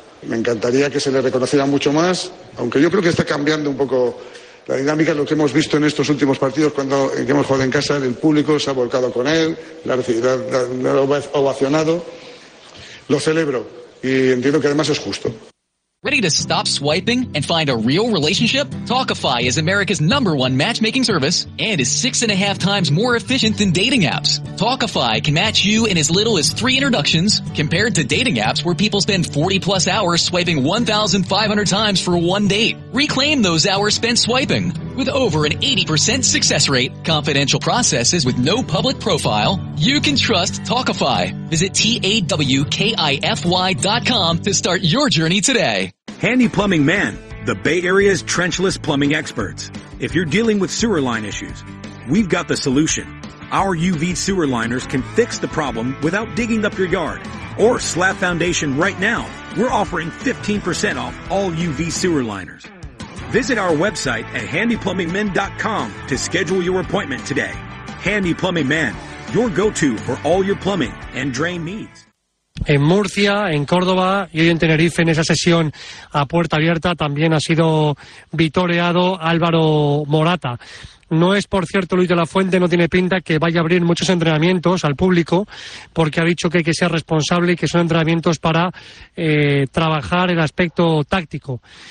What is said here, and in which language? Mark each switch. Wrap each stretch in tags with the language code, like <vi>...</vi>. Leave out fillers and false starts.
<es>Me encantaría que se le reconociera mucho más, aunque yo creo que está cambiando un poco la dinámica. Lo que hemos visto en estos últimos partidos, cuando hemos jugado en casa, el público se ha volcado con él, lo ha ovacionado, lo celebro y entiendo que además es justo.</es> <en>Ready to stop swiping and find a real relationship? Talkify is America's number one matchmaking service and is 6.5 times more efficient than dating apps. Talkify can match you in as little as 3 introductions compared to dating apps where people spend 40 plus hours swiping 1,500 times for one date. Reclaim those hours spent swiping. With over an 80% success rate, confidential processes with no public profile, you can trust Talkify. Visit TAWKIFY.com to start your journey today. Handy Plumbing Man, the Bay Area's trenchless plumbing experts. If you're dealing with sewer line issues, we've got the solution. Our UV sewer liners can fix the problem without digging up your yard or slab foundation. Right now, we're offering 15% off all UV sewer liners. Visit our website at handyplumbingmen.com to schedule your appointment today. Handy Plumbing Man, your go-to for all your plumbing and drain needs.</en> <es>En Murcia, en Córdoba y hoy en Tenerife, en esa sesión a puerta abierta, también ha sido vitoreado Álvaro Morata. No es, por cierto, Luis de la Fuente, no tiene pinta que vaya a abrir muchos entrenamientos al público, porque ha dicho que hay que ser responsable y que son entrenamientos para trabajar el aspecto táctico.</es>